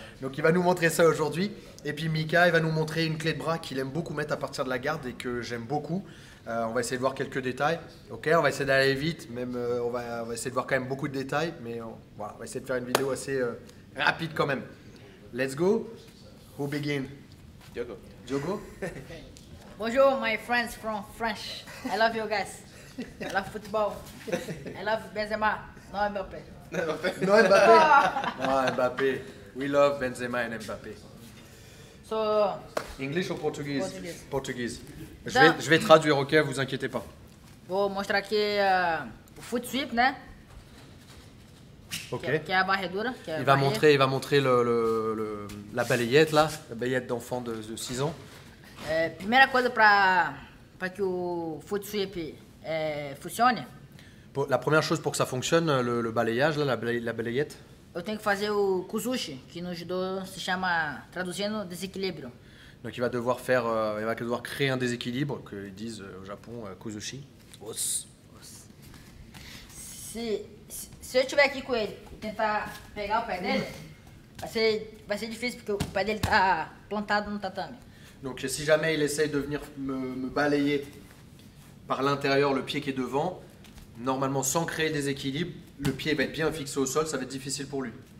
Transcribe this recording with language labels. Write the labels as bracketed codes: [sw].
[fr] Donc, il va nous montrer ça aujourd'hui. Et puis, Mika, il va nous montrer une clé de bras qu'il aime beaucoup mettre à partir de la garde et que j'aime beaucoup. On va essayer de voir quelques détails. OK, on va essayer d'aller vite. On va essayer de voir quand même beaucoup de détails. Mais voilà, on va essayer de faire une vidéo assez rapide quand même. [en] Let's go. Who begin? Diogo. Diogo? Bonjour, my friends from France. I love you guys. I love football. I love Benzema. No Mbappé. No Mbappé. Mbappé. We love Benzema and Mbappé. So, English or Portuguese? Portuguese. Portuguese. [fr] Je vais traduire, ok, vous inquiétez pas. [pt] Vou mostrar aqui o foot sweep, né? Ok. Que é a barredura. [fr] Il va montrer la balayette, là, la balayette d'enfant de 6 ans. [pt] Primeira coisa para que o foot sweep fonctionne. [fr] La première chose pour que ça fonctionne, le balayage, là, la balayette. [pt] Eu tenho que fazer o kuzushi, que no judô se chama traduzindo desequilíbrio. [fr] Donc il va devoir faire, il va devoir créer un déséquilibre que ils disent au Japon kuzushi. Os. [pt] Se eu estiver aqui com ele, tentar pegar o pé dele, vai ser difícil porque o pé dele tá plantado no tatame. [fr] Donc si jamais il essaye de venir me balayer par l'intérieur le pied qui est devant, normalement sans créer des équilibres, le pied va être bien fixé au sol, ça va être difficile pour lui.